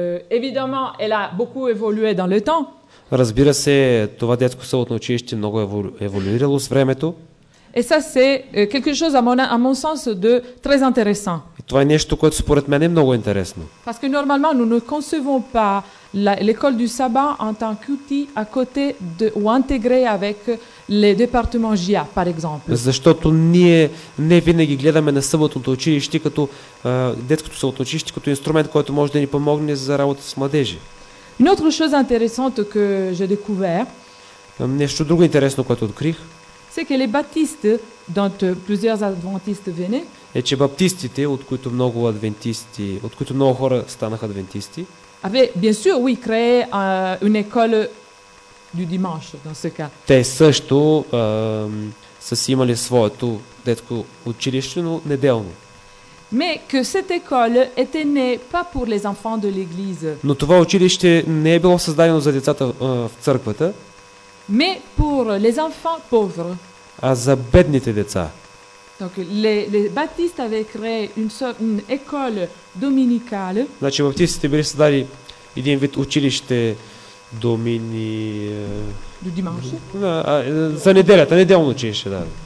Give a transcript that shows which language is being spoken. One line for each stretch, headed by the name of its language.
French: Évidemment, elle a beaucoup évolué dans le temps.
Bulgarian: Разбира се, това детско съботно училище много е еволюирало с времето.
French: Et ça c'est quelque chose à mon sens de très intéressant.
Bulgarian: Това е нещо, което според мен е много интересно.
French: Parce que normalement nous ne concevons pas l'école du sabbat en tant qu'outil à côté de ou intégré avec les départements GIA, par exemple.
Bulgarian: Защото ние не винаги гледаме на съботното училище като детското съботно училище като инструмент, който може да ни помогне за работа с младежи.
French: Une autre chose intéressante que j'ai découvert.
Bulgarian: Нещо друго интересно, което открих.
French: C'est que les baptistes dont plusieurs adventistes venaient.
Bulgarian: Е, че баптистите, от които много адвентисти, от които много хора станаха адвентисти.
French: Avaient bien sûr oui créé une école du dimanche dans ce cas.
Bulgarian: Те също са си имали своето детско училище, но неделно.
French: Mais que cette école était née pas pour les enfants de l'église.
Bulgarian: Но това училище не е било създадено за децата в църквата.
French: Mais pour les enfants pauvres.
Bulgarian: А за бедните деца.
French: Donc les baptistes avaient créé une école dominicale.
Bulgarian: Значи баптистите били създали един вид училище домини до димаше. За неделята, неделно училище, да.